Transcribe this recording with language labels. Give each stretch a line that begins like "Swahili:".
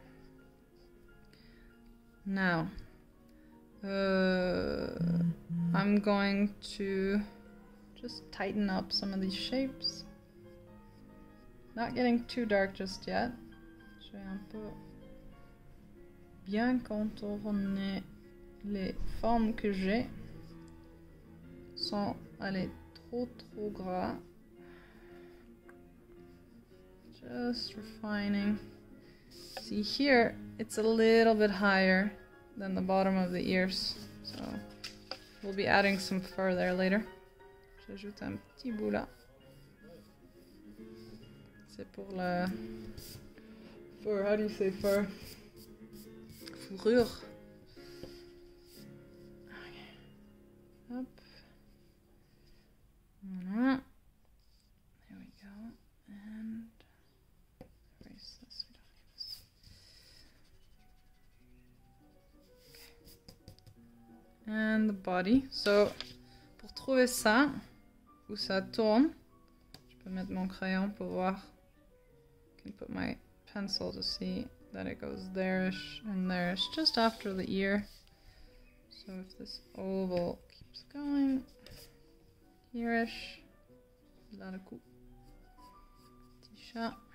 English: Okay. Now, I'm going to just tighten up some of these shapes. Not getting too dark just yet.
French: Je vais un peu bien contourner les formes que j'ai sans aller trop gras.
English: Just refining. See here, it's a little bit higher than the bottom of the ears, so we'll be adding some fur there later.
French: J'ajoute un petit bout là. C'est pour la
English: fur. How do you say fur?
French: Fourrure. Okay. Hop.
English: Voilà. There we go. And erase this. And the body.
French: So, pour trouver ça, où ça tourne, je peux mettre mon crayon pour voir.
English: I can put my pencil to see that it goes there-ish and there-ish, just after the ear. So if this oval keeps going, here-ish,
French: là le coup. Petit chat.